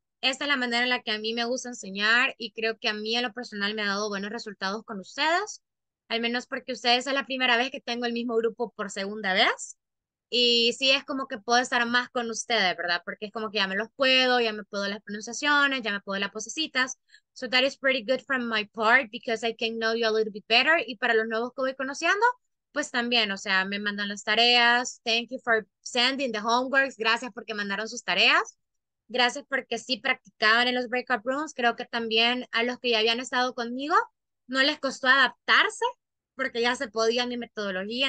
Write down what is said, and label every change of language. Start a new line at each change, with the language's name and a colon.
Spanish: Esta es la manera en la que a mí me gusta enseñar y creo que a mí en lo personal me ha dado buenos resultados con ustedes, al menos porque ustedes es la primera vez que tengo el mismo grupo por segunda vez. Y sí es como que puedo estar más con ustedes, ¿verdad? Porque es como que ya me los puedo, ya me puedo las pronunciaciones, ya me puedo las posecitas.
English: So that is pretty good from my part because I can know you a little bit better.
Spanish: Y para los nuevos que voy conociendo, pues también, o sea, me mandan las tareas.
English: Thank you for sending the homeworks.
Spanish: Gracias porque mandaron sus tareas. Gracias porque sí practicaban en los breakout rooms. Creo que también a los que ya habían estado conmigo no les costó adaptarse porque ya se podía mi metodología.